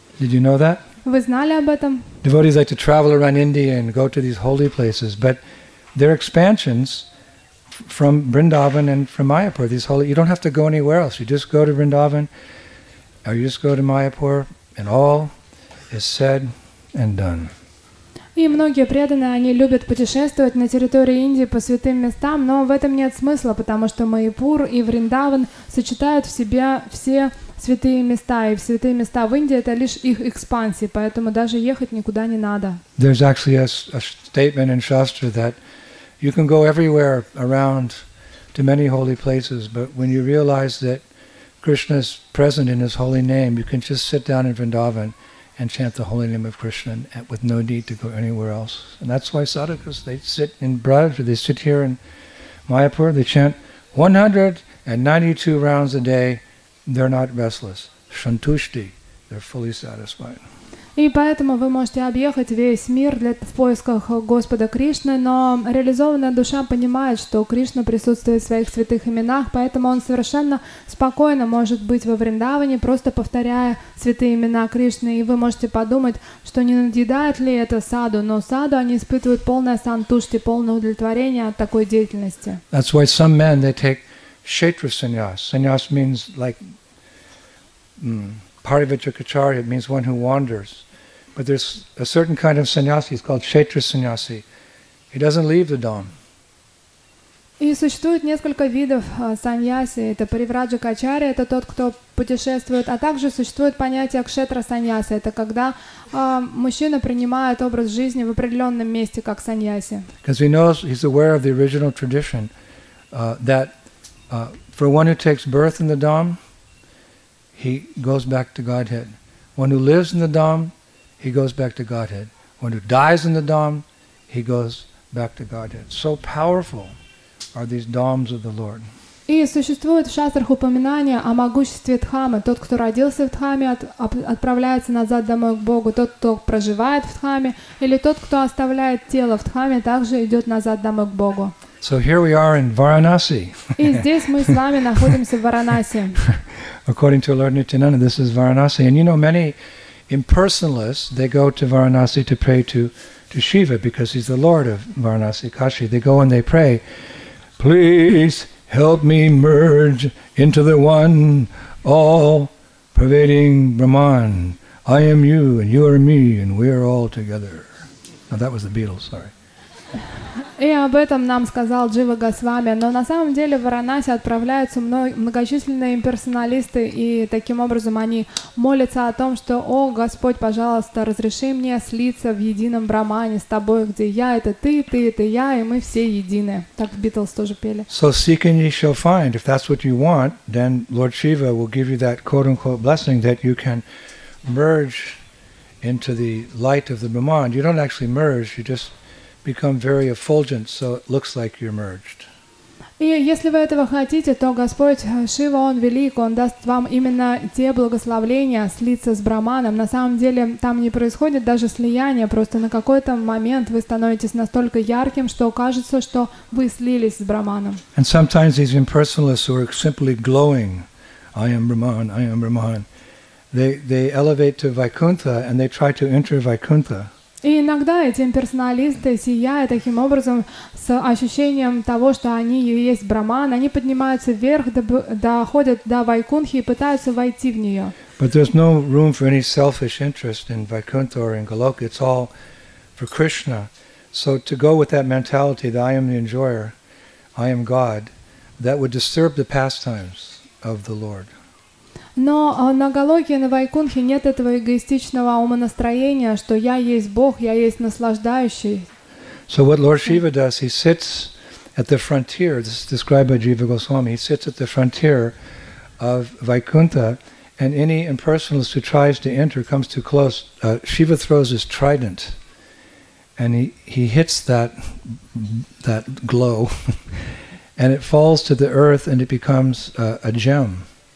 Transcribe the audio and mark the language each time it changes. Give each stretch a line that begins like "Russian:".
English: Did you know that?
Russian: Вы знали об этом?
English: Devotees like to travel around India and go to these holy places, but they're expansions from Vrindavan and from Mayapur. These holy, you don't have to go anywhere else. You just go to Vrindavan, or you just go to Mayapur, and all is said and done.
Russian: И многие преданные, они любят путешествовать на территории Индии по святым местам, но в этом нет смысла, потому что Майпур и Вриндаван сочетают в себе все святые места, и святые места в Индии — это лишь их экспансии, поэтому даже ехать никуда не надо.
English: There's actually a statement in Shastra that you can go everywhere around to many holy places, but when you realize that Krishna is present in His holy name, you can just sit down in Vrindavan and chant the holy name of Krishna with no need to go anywhere else. And that's why sadhakas, they sit in Braj, they sit here in Mayapur, they chant 192 rounds a day, they're not restless. Shantushti, they're fully satisfied.
Russian: И поэтому вы можете объехать весь мир в поисках Господа Кришны, но реализованная душа понимает, что Кришна присутствует в своих святых именах, поэтому он совершенно спокойно может быть во Вриндаване, просто повторяя святые имена Кришны. И вы можете подумать, что не надоедает ли это саду, но саду они испытывают полное сантушти, полное удовлетворение от такой деятельности.
English: That's why some men, they take kshetra sannyas. Sannyas means like... Parivachakacharya, it means one who wanders. But there's a certain kind of sannyasi, it's called Kshetra sannyasi. He doesn't leave the dham.
Russian: И существует несколько видов саньяси. Это Паривраджакачарья, это тот, кто путешествует, а также существует понятие кшетра саньяси. Это когда мужчина принимает образ жизни в определенном месте, как саньяси.
English: Because he knows, he's aware of the original tradition, that for one who takes birth in the dham, he goes back to Godhead. One who lives in the Dham, he goes back to Godhead. One who dies in the Dham, he goes back to Godhead. So powerful are these Dhams of the Lord.
Russian: И существует в шастрах упоминание о могуществе Дхамы. Тот, кто родился в Дхаме, отправляется назад домой к Богу. Тот, кто проживает в Дхаме, или тот, кто оставляет тело в Дхаме, также идет назад домой к Богу.
English: So here we are in Varanasi.
Russian: И здесь мы с вами находимся в Варанаси.
English: According to Lord Nityananda, this is Varanasi. And you know, many impersonalists, they go to Varanasi to pray to Shiva because he's the Lord of Varanasi, Kashi. They go and they pray, please help me merge into the one all-pervading Brahman. I am you and you are me and we are all together. Now that was the Beatles, sorry.
Russian: И об этом нам сказал Джива Госвами. Но на самом деле в Варанаси отправляются многочисленные имперсоналисты, и таким образом они молятся о том, что «О, Господь, пожалуйста, разреши мне слиться в едином Брамане с Тобой, где я — это ты — это я, и мы все едины». Так Битлз тоже пели.
English: So seek and ye shall find. If that's what you want, then Lord Shiva will give you that quote-unquote blessing that you can merge into the light of the Brahman. You don't actually merge, you just become very effulgent, so it looks like you're merged.
Russian: И если вы этого хотите, то Господь Шива, Он велик, Он даст вам именно те благословления слиться с Браманом. На самом деле там не происходит даже слияние, просто на какой-то момент вы становитесь настолько ярким, что кажется, что вы слились с Браманом.
English: And sometimes these impersonalists who are simply glowing, I am Brahman, I am Brahman, they elevate to Vaikuntha and they try to enter Vaikuntha.
Russian: И иногда эти имперсоналисты, сияя таким образом, с ощущением того, что они и есть Браман, они поднимаются вверх, доходят до Вайкунхи и пытаются войти в нее.
English: But there's no room for any selfish interest in Vaikuntha or in Goloka. It's all for Krishna. So to go with that mentality that I am the enjoyer, I am God, that would disturb the pastimes of the Lord.
Russian: Но на Голоке и на Вайкунхе нет этого эгоистичного умонастроения, что я есть Бог, я есть наслаждающий.
English: So what Lord Shiva does, he sits at the frontier, this is described by Jiva Goswami, he sits at the frontier of Vaikuntha, and any impersonalist who tries to enter comes too close, Shiva throws his trident, and he hits that glow, and it falls to the earth and it becomes a gem.